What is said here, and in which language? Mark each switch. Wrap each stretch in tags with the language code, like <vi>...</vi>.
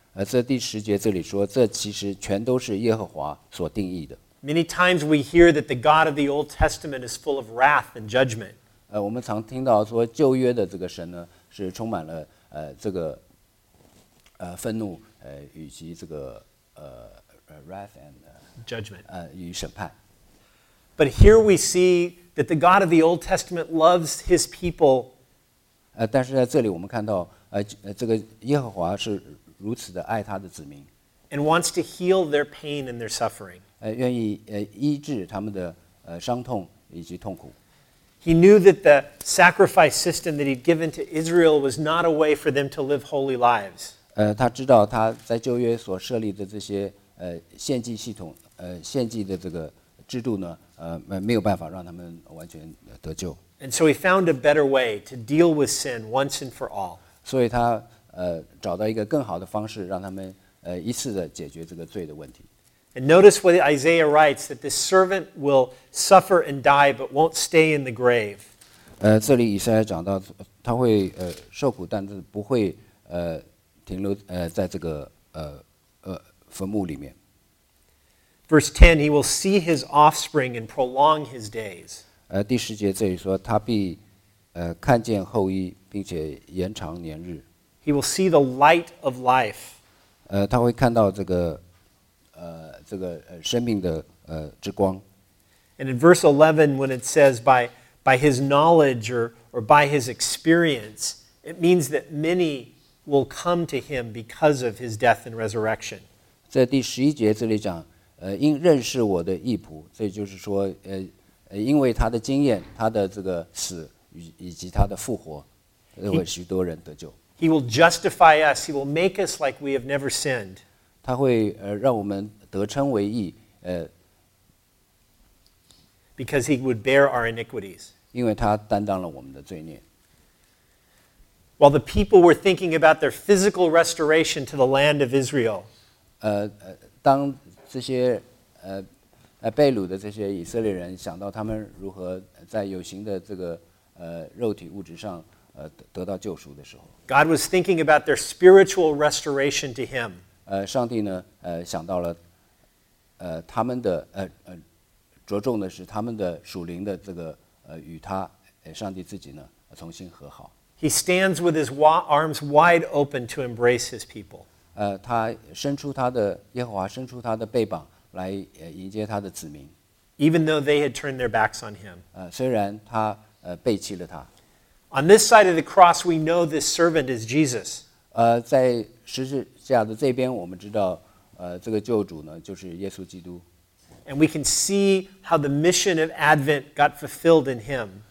<zh>这第十节这里说，这其实全都是耶和华所定义的。</zh> <en>Many times we hear that the God of the Old Testament is full of wrath and judgment.</en> <zh>我们常听到说旧约的这个神呢，是充满了这个愤怒。以及这个</zh> <en>wrath and judgment</en> <zh>与审判。</zh> <en>But here we see that the God of the Old Testament loves His people.</en> <zh>但是在这里我们看到这个耶和华是如此的爱他的子民。</zh> <en>And wants to heal their pain and their suffering.</en> <zh>愿意医治他们的伤痛以及痛苦。</zh> <en>He knew that the sacrifice system that He'd given to Israel was not a way for them to live holy lives.</en> <zh>他知道他在旧约所设立的这些献祭系统献祭的这个制度呢没有办法让他们完全得救。</zh> <en>And so he found a better way to deal with sin once and for all.</en> <zh>所以他找到一个更好的方式让他们一次的解决这个罪的问题。</zh> <en>And notice what Isaiah writes that this servant will suffer and die but won't stay in the grave.</en> <zh>这里以赛亚讲到他会受苦但是不会停留在这个坟墓里面。</zh> <en>Verse 10, he will see his offspring and prolong his days.</en> <zh>第十节这里说，他必看见后裔，并且延长年日。</zh> <en>He will see the light of life.</en> <zh>他会看到这个生命的之光。</zh> <en>And in verse 11, when it says by his knowledge or by his experience, it means that many. Will come to him because of his death and resurrection.</en> <zh>在第十一节这里讲，因认识我的义仆，这就是说，因为他的经验，他的这个死以及他的复活，会许多人得救。</zh> <en>He will justify us. He will make us like we have never sinned.</en> <zh>他会让我们得称为义。</zh> <en>Because he would bear our iniquities.</en> <zh>因为他担当了我们的罪孽。</zh> <en>While the people were thinking about their physical restoration to the land of Israel,</en> <zh>当这些被掳的这些以色列人想到他们如何在有形的这个肉体物质上得到救赎的时候</zh> <en>，God was thinking about their spiritual restoration to Him.</en> <zh>上帝呢想到了他们的着重的是他们的属灵的这个与他上帝自己呢重新和好。</zh> <en>He stands with his arms wide open to embrace his people.</en> <zh>他伸出他的耶和华伸出他的臂膀来迎接他的子民。</zh> <en>Even though they had turned their backs on him.</en> <zh>虽然他背弃了他。</zh> <en>On this side of the cross, we know this servant is Jesus.</en> <zh>在十字架的这边，我们知道这个救主呢就是耶稣基督。</zh> <en>And we can see how the mission of Advent got fulfilled in him.</en>